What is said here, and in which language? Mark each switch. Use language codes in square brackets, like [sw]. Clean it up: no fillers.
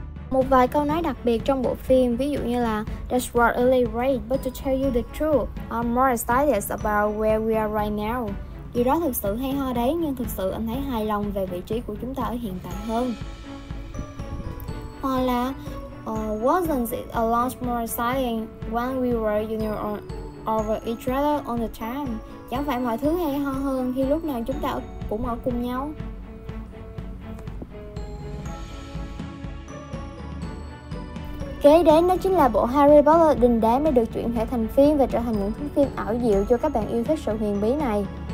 [vi] Một vài câu nói đặc biệt trong bộ phim, ví dụ như là [en] "That's what really great, but to tell you the truth, I'm more excited about where we are right now." [vi] Điều đó thực sự hay ho đấy, nhưng thực sự anh thấy hài lòng về vị trí của chúng ta ở hiện tại hơn. Hoặc là [en] "Wasn't it a lot more exciting when we were over each other all the time?" [vi] Chẳng phải mọi thứ hay ho hơn khi lúc nào chúng ta cũng ở cùng nhau. Kế đến đó chính là bộ Harry Potter đình đám đã được chuyển thể thành phim và trở thành những thứ phim ảo diệu cho các bạn yêu thích sự huyền bí này.